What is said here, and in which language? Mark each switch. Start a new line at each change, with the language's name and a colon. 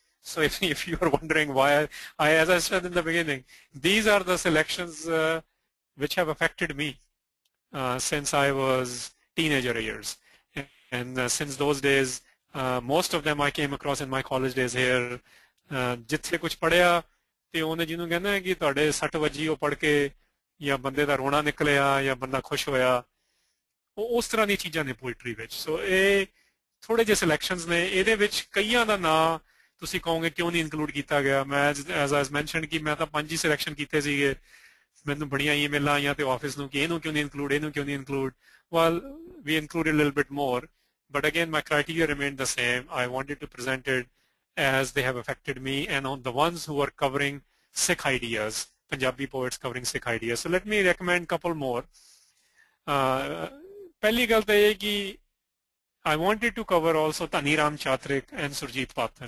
English: So if you are wondering why, as I said in the beginning, these are the selections which have affected me since I was teenager years. And since those days, most of them I came across in my college days here.
Punjabi: ਜਿੱਥੇ ਕੁਛ ਪੜ੍ਹਿਆ ਤੇ ਉਹਨੇ ਜਿਹਨੂੰ ਕਹਿੰਦਾ ਕਿ ਤੁਹਾਡੇ ਸੱਟ ਵੱਜੀ ਉਹ ਪੜ੍ਹ ਕੇ, ਜਾਂ ਬੰਦੇ ਦਾ ਰੋਣਾ ਨਿਕਲਿਆ, ਜਾਂ ਬੰਦਾ ਖੁਸ਼ ਹੋਇਆ, ਉਹ ਉਸ ਤਰ੍ਹਾਂ ਦੀਆਂ ਚੀਜ਼ਾਂ ਨੇ ਪੋਇਟਰੀ ਵਿੱਚ। ਸੋ ਇਹ ਥੋੜ੍ਹੇ ਜਿਹੇ ਸਿਲੈਕਸ਼ਨਸ ਨੇ। ਇਹਦੇ ਵਿੱਚ ਕਈਆਂ ਦਾ ਨਾਂ ਤੁਸੀਂ ਕਹੋਗੇ ਕਿਉਂ ਨਹੀਂ ਇੰਕਲੂਡ ਕੀਤਾ ਗਿਆ। ਮੈਂ
English: as mention
Punjabi: ਕਿ ਮੈਂ ਤਾਂ 5 ਹੀ ਸਿਲੈਕਸ਼ਨ ਕੀਤੇ ਸੀਗੇ, ਮੈਨੂੰ ਬੜੀਆਂ ਈਮੇਲਾਂ ਆਈਆਂ ਤੇ ਆਫਿਸ ਨੂੰ ਕਿ ਇਹਨੂੰ ਕਿਉਂ ਨਹੀਂ ਇੰਕਲੂਡ, ਇਹਨੂੰ ਕਿਉਂ ਨਹੀਂ include.
English: Well, we include little bit more, but again my criteria remain the same. I wanted to present it as they have affected me and on the ones who are covering Sikh ideas, Punjabi poets covering Sikh ideas. So let me recommend couple more.
Punjabi: Pehli gal ta hai ki
English: I wanted to cover also Tani Ram Chatrik and Surjeet Pathar.